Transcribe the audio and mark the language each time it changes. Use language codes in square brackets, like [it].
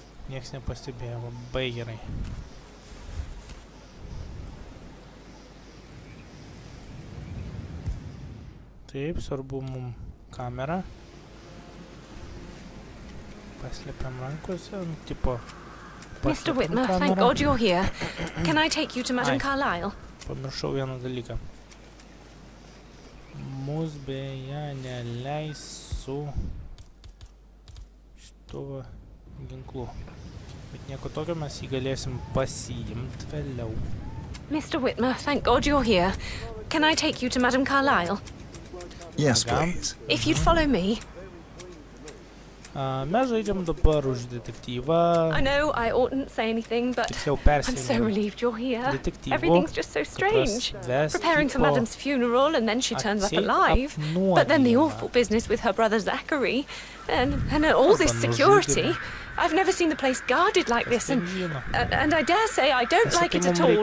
[lt] nieks nepastebėjo, labai gerai. Taip, svarbu mum kamera. Paslėpėm rankose, nu, tipo... [en] Mr. Whitmer, thank God you're here. Can I take you to Madame Carlyle? [lt] Pamiršau vieną dalyką. Mus beje neleis su šituo ginklu. Bet nieko tokio, mes jį galėsim pasiimt vėliau. [en] Mr. Whitmer, thank God you're here. Can I take you to Madame Carlyle? Yes, please. If you'd follow me. [lt] Mes žaidžiam dabar už detektyvą. [en] I know I oughtn't say anything, but I'm so relieved you're here. [lt] Detektyvo. [en] Everything's just so strange. Preparing for Madame's funeral and then she turns up alive. [lt] Apnuodyva. [en] But then the awful business with her brother Zachary and all this security. I've never seen the place guarded like this, and I dare say I don't like it at all.